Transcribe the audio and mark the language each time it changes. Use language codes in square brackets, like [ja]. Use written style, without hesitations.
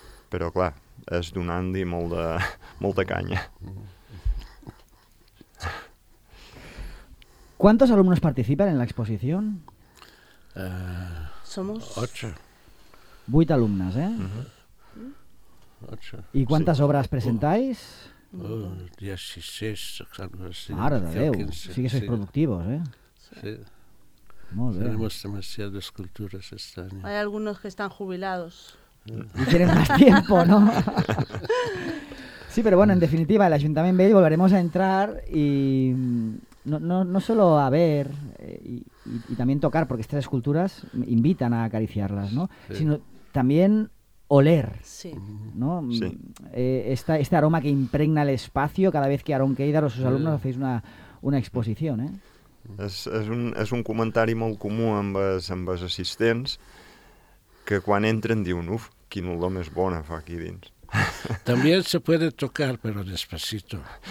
[ca] Però, clar, és donant-li molta canya. [es] ¿Cuántos alumnos participan en la exposición? 8. [ca] 8 alumnes, eh? I quantes obres presentais? 16, exacte. Mare de Déu, [es] sí que sois productivos, eh? Sí. [ca] Molt bé. [es] Tenemos demasiadas culturas este año. Hay algunos que están jubilados. Y tienen más tiempo, ¿no? Sí, pero bueno, en definitiva, el Ayuntamiento Vell volveremos a entrar y no solo a ver y también tocar, porque estas esculturas invitan a acariciarlas, ¿no? Sí. Sino también oler, sí. ¿No? Sí. Este aroma que impregna el espacio cada vez que Aaron Keidar o sus alumnos hacéis una exposición, ¿eh? [ca] És un comentari molt comú amb els assistents, que quan entren diuen, uf, quina olor més bona fa aquí dins. [es] También se puede tocar, pero despacito.